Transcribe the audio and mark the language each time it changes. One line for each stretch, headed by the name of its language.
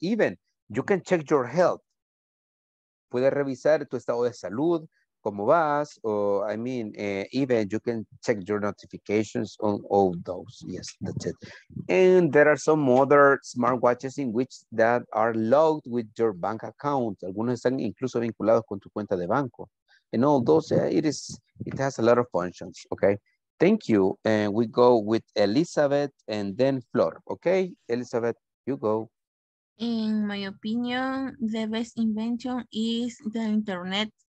English: Even you can check your health.
Spanish: Puede revisar tu estado de salud, cómo vas,
English: or I mean, even you can check your notifications on all those. Yes, that's it. And there are some other smartwatches in which that are logged with your bank account.
Spanish: Algunos están incluso vinculados con tu cuenta de banco.
English: And all those, it has a lot of functions. Okay. Thank you. And we go with Elizabeth and then Flor. Okay, Elizabeth, you go. In my opinion, the best invention is the internet.